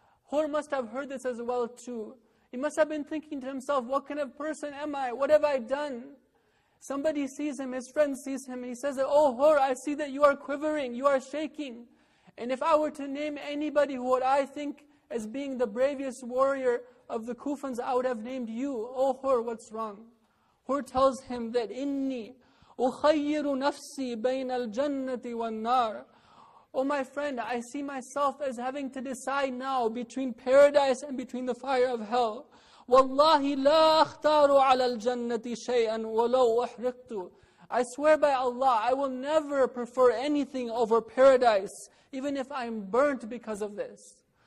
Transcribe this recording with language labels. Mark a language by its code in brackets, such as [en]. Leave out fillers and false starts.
[en] Hur must have heard this as well too. He must have been thinking to himself, what kind of person am I? What have I done? Somebody sees him, his friend sees him, and he says, oh Hur, I see that you are quivering, you are shaking. And if I were to name anybody who would I think as being the bravest warrior of the Kufans, I would have named you. Oh Hur, what's wrong? Hur tells him that, [ar] إِنِّي أُخَيِّرُ نَفْسِي بَيْنَ الْجَنَّةِ وَالنَّارِ. [en] Oh my friend, I see myself as having to decide now between paradise and between the fire of hell. [ar] وَاللَّهِ لَا أَخْتَارُ عَلَى الْجَنَّةِ شَيْئًا وَلَوْ أُحْرِقْتُ. [en] I swear by Allah, I will never prefer anything over paradise, even if I'm burnt because of this.